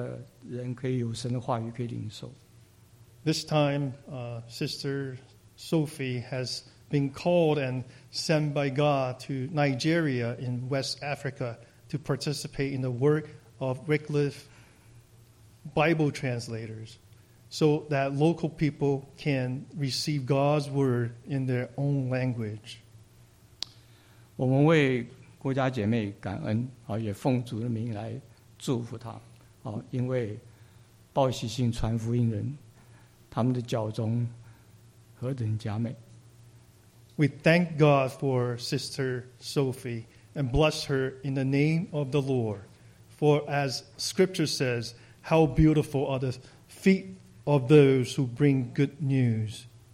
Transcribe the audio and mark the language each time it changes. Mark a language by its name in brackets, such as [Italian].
[Chinese] 这次郭雅姐妹受神差遣，前往这个西非的尼日利亚，去参与威克里夫圣经宣教的工作，来使当地的人可以有神的话语可以领受。 [English] This time, Sister Sophie has been called and sent by God to Nigeria in West Africa to participate in the work of Wycliffe Bible translators so that local people can receive God's word in their own language. [Chinese] 我们为国家姐妹感恩，也奉主的名来祝福她，因为报喜信传福音人。 [English] We thank God for Sister Sophie and bless her in the name of the Lord. For as Scripture says, how beautiful are the feet of those who bring good news.